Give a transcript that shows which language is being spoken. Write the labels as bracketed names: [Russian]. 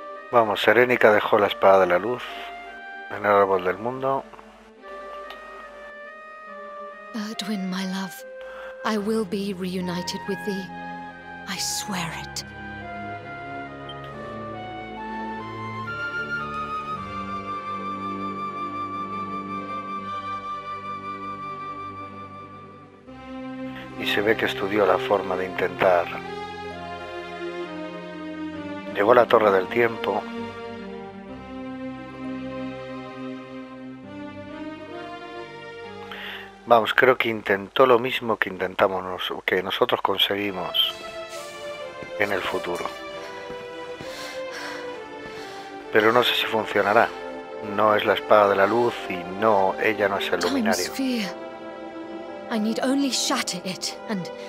[Spanish] Vamos, Serenica dejó la espada de la luz en el árbol del mundo. [English] Erdwin, my love, I will be reunited with thee. I swear it. [Spanish] Y se ve que estudió la forma de intentar. Llegó a la Torre del Tiempo. Vamos, creo que intentó lo mismo que intentamos, que nosotros conseguimos en el futuro. Pero no sé si funcionará. No es la espada de la luz y no, ella no es el luminario. [English] I need only shatter it and...